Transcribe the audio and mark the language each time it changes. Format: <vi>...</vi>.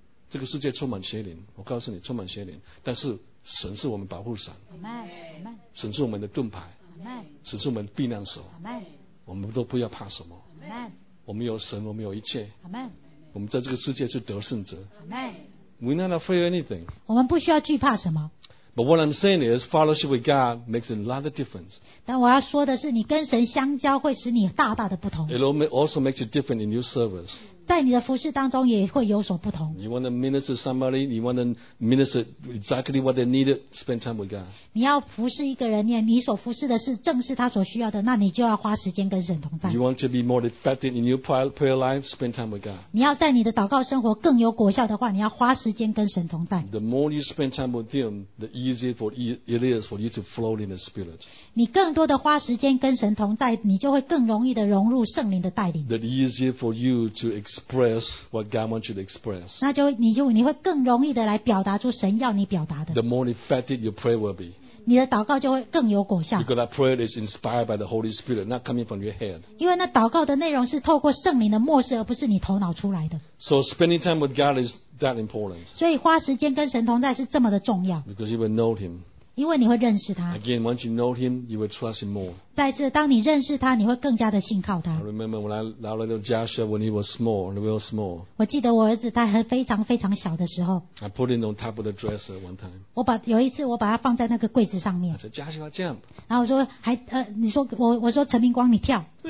<zh>这个世界充满邪灵，我告诉你充满邪灵，但是神是我们保护伞，神是我们的盾牌，神是我们的避难所，我们都不要怕什么，我们有神，我们有一切，我们在这个世界是得胜者。</zh> <en>We not afraid anything.</en> <zh>我们不需要惧怕什么。</zh> <en>But what I'm saying is fellowship with God makes a lot of difference.</en> <zh>但我要说的是你跟神相交会使你大大的不同。</zh> <en>It also makes a difference in your service.</en> <zh>在你的服事当中也会有所不同。</zh> <en>You want to minister somebody, you want to minister exactly what they needed, spend time with God.</en> <zh>你要服事一个人，你所服事的是正是他所需要的，那你就要花时间跟神同在。</zh> <en>You want to be more effective in your prayer life, spend time with God.</en> <zh>你要在你的祷告生活更有果效的话，你要花时间跟神同在。</zh> <en>The more you spend time with Him, the easier it is for you to flow in the Spirit.</en> <zh>你更多的花时间跟神同在，你就会更容易的融入圣灵的带领。</zh> <en>The easier for you to express what God wants you to express.</en> <zh>那就你会更容易的来表达出神要你表达的。</zh> <en>The more effective your prayer will be.</en> <zh>你的祷告就会更有果效。</zh> <en>Because that prayer is inspired by the Holy Spirit, not coming from your head.</en> <zh>因为那祷告的内容是透过圣灵的默示，而不是你头脑出来的。</zh> <en>So spending time with God is that important.</en> <zh>所以花时间跟神同在是这么的重要。</zh> <en>Because you will know Him.</en> <zh>因为你会认识他。</zh> <en>Again, once you know Him, you will trust Him more.</en> <zh>再次，当你认识他，你会更加的信靠他。</zh> <en>I remember when I was little Joshua when he was small, real small.</en> <zh>我记得我儿子他还非常非常小的时候。</zh> <en>I put him on top of the dresser one time.</en> <zh>有一次我把他放在那个柜子上面。</zh> <en>I said, Joshua, jump.</en> <zh>然后我说我说陈明光你跳。</zh>